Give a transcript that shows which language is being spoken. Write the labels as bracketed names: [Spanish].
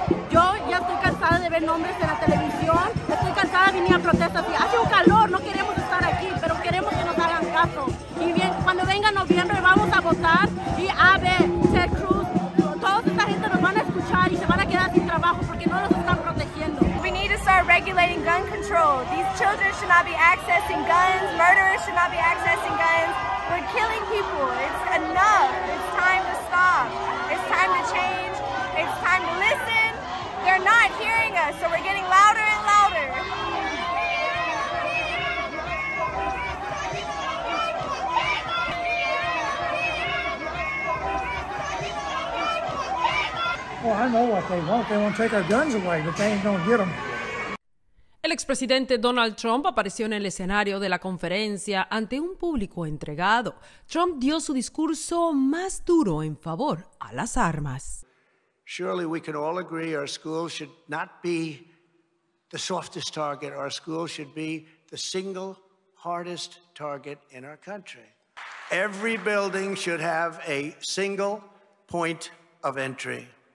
[Spanish] Yo ya estoy cansada de ver nombres en la televisión, estoy cansada de venir a protestas y hace un calor, no queremos estar aquí, pero queremos que nos hagan caso. Y bien, cuando venga noviembre vamos a votar y A, B, C, Cruz, toda esta gente nos van a escuchar y se van a quedar sin trabajo porque no los están protegiendo. [English] We need to start regulating gun control. These children should not be accessing guns, murderers should not be accessing guns. We're killing people, it's enough, it's time to stop, it's time to change, it's time to listen. They're not hearing us, so we're getting louder and louder. Oh, I know what they want. They want to take our guns away, but they ain't gonna get them. [Spanish] El expresidente Donald Trump apareció en el escenario de la conferencia ante un público entregado. Trump dio su discurso más duro en favor a las armas. [English] Surely we can all agree our schools should not be the softest target. Our schools should be the single hardest target in our country. Every building should have a single point of entry.